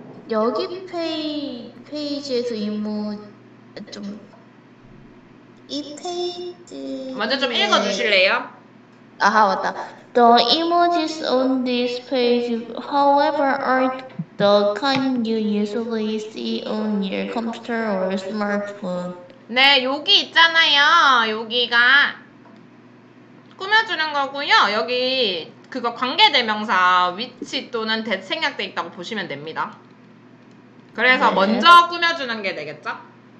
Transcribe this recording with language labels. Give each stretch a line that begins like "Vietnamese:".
Korean: 여기 페이지에서 이모 좀 이 페이지 먼저 좀 읽어 주실래요? 아하 맞다.
English: The emojis on this page, however, aren't the kind you usually see on your computer or smartphone.
Korean: 네, 여기 있잖아요. 여기가 꾸며주는 거고요. 여기 그거 관계대명사 위치 또는 대 생략돼 있다고 보시면 됩니다. 그래서 네. 먼저 꾸며주는 게 되겠죠?